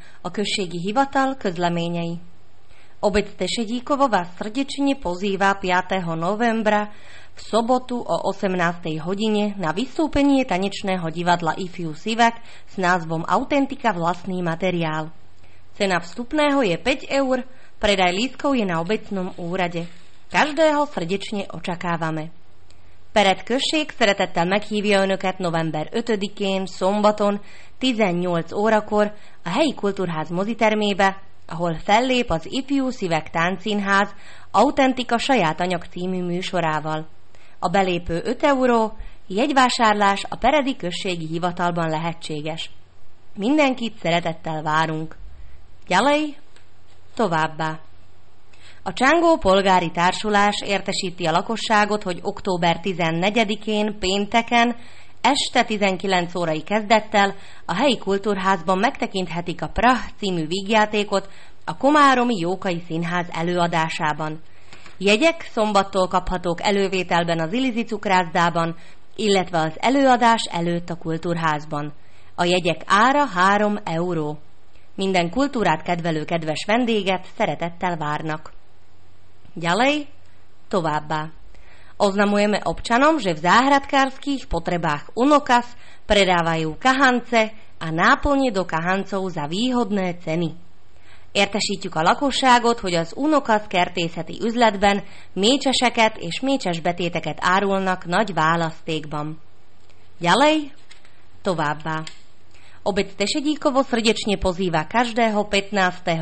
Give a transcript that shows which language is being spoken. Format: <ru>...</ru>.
<hu>Okrsiegi hivatal Közleményei.</hu> <sk>Obec Tešedíkovo vás srdečne pozýva 5. novembra v sobotu o 18. hodine na vystúpenie tanečného divadla Ifiu Sivak s názvom Autentika vlastný materiál. Cena vstupného je 5 eur, predaj lístkov je na obecnom úrade. Každého srdečne očakávame.</sk> <hu>Pered község szeretettel meghívja önöket november 5-én, szombaton, 18 órakor a helyi kultúrház mozitermébe, ahol fellép az Ifjú Szívek Táncszínház Autentika saját anyag című műsorával. A belépő 5 euró, jegyvásárlás a peredi községi hivatalban lehetséges. Mindenkit szeretettel várunk. Gyalej, továbbá! A Csángó Polgári Társulás értesíti a lakosságot, hogy október 14-én, pénteken, este 19 órai kezdettel a helyi kultúrházban megtekinthetik a Prah című vígjátékot a Komáromi Jókai Színház előadásában. Jegyek szombattól kaphatók elővételben az Ilizi cukrászdában, illetve az előadás előtt a kultúrházban. A jegyek ára 3 euró. Minden kultúrát kedvelő kedves vendéget szeretettel várnak.</hu> <sk>Ďalej,</sk> <hu>továbbá.</hu> <sk>Oznamujeme občanom, že v záhradkárskych potrebách Unokas predávajú kahance a náplne do kahancov za výhodné ceny.</sk> <hu>Értesítjük a lakosságot, hogy az Unokas kertészeti üzletben mécseseket és mécsesbetéteket árulnak nagy választékban.</hu> <sk>Ďalej,</sk> <hu>továbbá.</hu> <sk>Obec Tešedíkovo srdečne pozýva každého 15.</sk>